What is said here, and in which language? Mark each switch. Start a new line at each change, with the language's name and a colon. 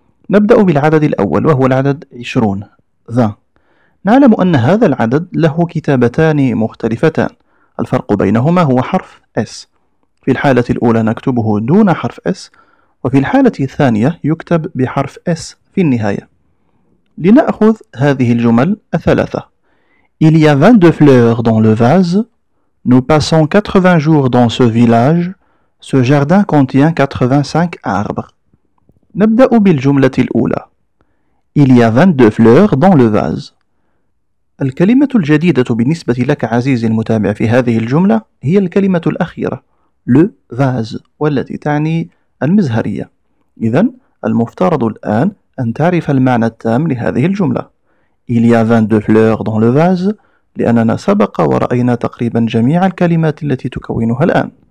Arabic: نبدأ بالعدد الأول وهو العدد 20 20. نعلم أن هذا العدد له كتابتان مختلفتان، الفرق بينهما هو حرف S. في الحالة الأولى نكتبه دون حرف S، وفي الحالة الثانية يكتب بحرف S في النهاية. لنأخذ هذه الجمل الثلاثة:
French: Il y a 22 fleurs dans le vase. Nous passons 80 jours dans ce village. Ce jardin contient 85 arbres.
Arabic: نبدأ بالجملة الأولى:
French: Il y a 22 fleurs dans le vase.
Arabic: الكلمة الجديدة بالنسبة لك عزيزي المتابع في هذه الجملة هي الكلمة الأخيرة le vase والتي تعني المزهرية. إذن المفترض الآن أن تعرف المعنى التام لهذه الجملة
French: il y a 22 fleurs dans le vase،
Arabic: لأننا سبق ورأينا تقريبا جميع الكلمات التي تكونها الآن.